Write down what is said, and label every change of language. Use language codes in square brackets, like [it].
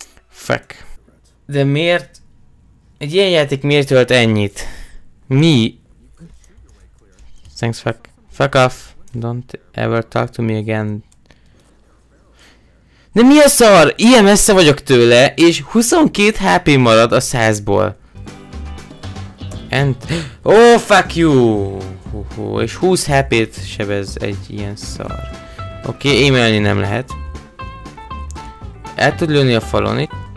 [en] Fuck. [hu] De miért... Egy ilyen játék miért tölt ennyit? Mi? [en] Thanks, fuck. Fuck off, don't ever talk to me again. [hu] De mi a szar? Ilyen messze vagyok tőle, és 22 HP marad a 100-ból. [en] And... Oh, fuck you! [hu] És 20 HP-t sebez egy ilyen szar. Oké, okay, émelni nem lehet. El tud lőni a falon itt.